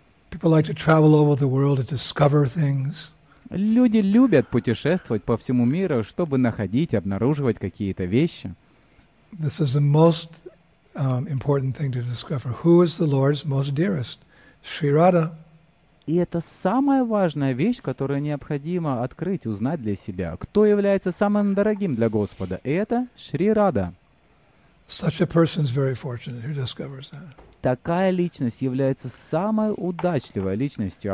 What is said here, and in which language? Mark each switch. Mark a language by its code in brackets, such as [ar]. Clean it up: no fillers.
[en] People like to travel over the world to discover things. [ru] Люди любят путешествовать по всему миру, чтобы находить, обнаруживать какие-то вещи. [en] This is the most important thing to discover. Who is the Lord's most dearest? Shri Radha. [ru] И это самая важная вещь, которую необходимо открыть, узнать для себя. Кто является самым дорогим для Господа? Это Шри Рада. [en] Such a person is very fortunate who discovers that. [ru] Такая личность является самой удачливой личностью.